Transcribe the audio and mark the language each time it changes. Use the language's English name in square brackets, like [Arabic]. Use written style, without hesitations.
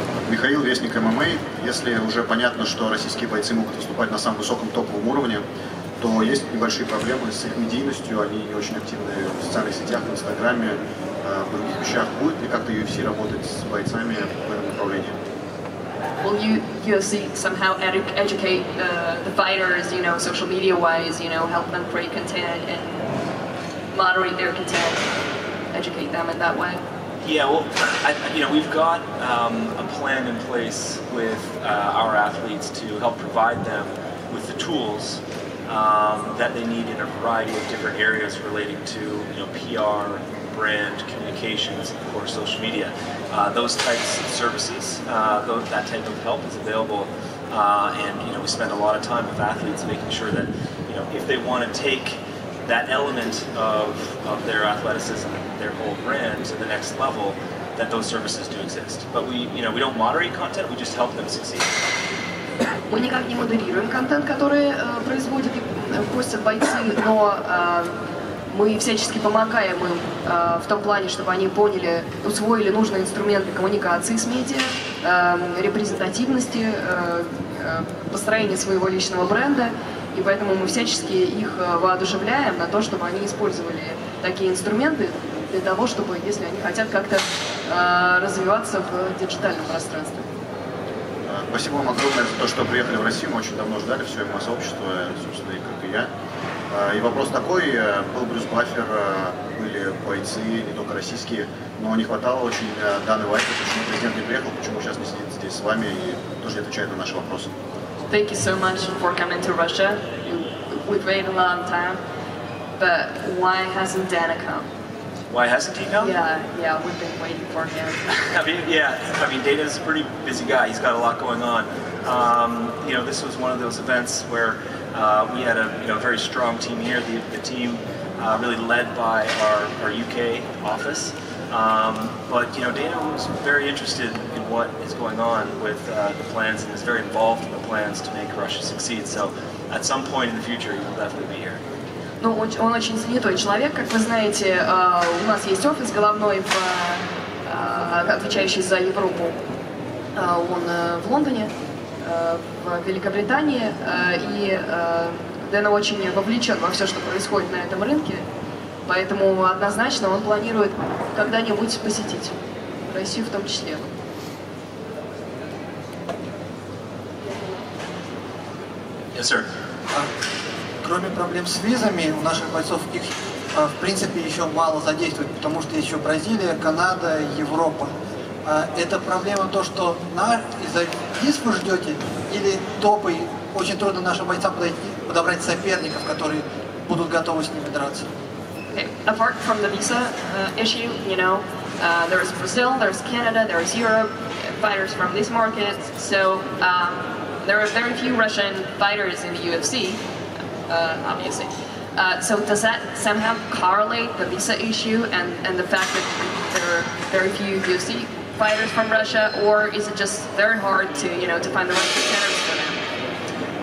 [Russian] Михаил, вестник ММА. Если уже понятно, что российские бойцы могут выступать на самом высоком топовом уровне, то есть небольшие проблемы с их медийностью, они не очень активны в социальных сетях, в Инстаграме, в других вещах. Будет ли как-то UFC работать с бойцами в этом направлении? [English] Will UFC somehow educate the fighters, you know, social media-wise, you know, help them create content and moderate their content, educate them in that way? Yeah, well, we've got a plan in place with our athletes to help provide them with the tools that they need in a variety of different areas relating to, you know, PR, brand, communications, of course, social media. Those types of services, that type of help is available, and you know, we spend a lot of time with athletes making sure that, you know, if they want to take that element of their athleticism, their whole brand to the next level, that those services do exist. But we, you know, we don't moderate content; we just help them succeed. [Russian] Мы никак не модерируем контент, который производят и постят бойцы, но мы всячески помогаем им в том плане, чтобы они поняли, усвоили нужные инструменты коммуникации с медиа, репрезентативности, построения своего личного бренда. И поэтому мы всячески их воодушевляем на то, чтобы они использовали такие инструменты для того, чтобы, если они хотят как-то развиваться в диджитальном пространстве. Спасибо вам огромное за то, что приехали в Россию. Мы очень давно ждали все его сообщество, собственно, и как и я. И вопрос такой, был Брюс Баффер, были бойцы, не только российские, но не хватало очень данной власти, почему президент не приехал, почему сейчас не сидит здесь с вами и тоже не отвечает на наши вопросы. [English] Thank you so much for coming to Russia. We've waited a long time. But why hasn't Dana come? Why hasn't he come? Yeah, we've been waiting for him. Dana's a pretty busy guy. He's got a lot going on. You know, this was one of those events where we had a, you know, very strong team here. The team really led by our UK office. But you know, Dana was very interested in what is going on with the plans and is very involved in the plans to make Russia succeed. So at some point in the future, he will definitely be here. [Russian] Ну, он очень занятой человек, как вы знаете. У нас есть офис головной, отвечающий за Европу. Он в Лондоне. в Великобритании, и Дэн очень вовлечен во все, что происходит на этом рынке, поэтому однозначно он планирует когда-нибудь посетить Россию в том числе. [English] Yes, sir. [Russian] Кроме проблем с визами, у наших бойцов их, в принципе, еще мало задействуют, потому что есть еще Бразилия, Канада, Европа. Это проблема то, что из-за виз вы ждете, или топы, очень трудно нашим бойцам подобрать соперников, которые будут готовы с ними драться. [English] Okay. Apart from the visa issue, you know, there's Brazil, there's Canada, there's Europe, fighters from these markets, so there are very few Russian fighters in the UFC, obviously. So does that somehow correlate the visa issue and the fact that there are very few UFC fighters from Russia, or is it just very hard to, you know, to find the right contenders for them?